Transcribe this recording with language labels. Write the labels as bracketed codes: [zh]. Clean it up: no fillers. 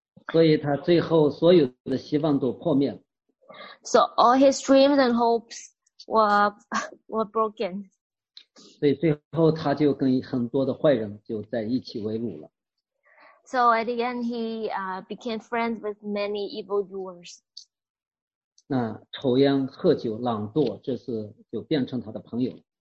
[zh] 所以他最后所有的希望都破灭了。 [en] So all his dreams and hopes were broken. [zh] 所以最后他就跟很多的坏人就在一起为伍了。 [en] So at the end, he became friends with many evildoers. [zh] 那抽烟、喝酒、懒惰，这是就变成他的朋友。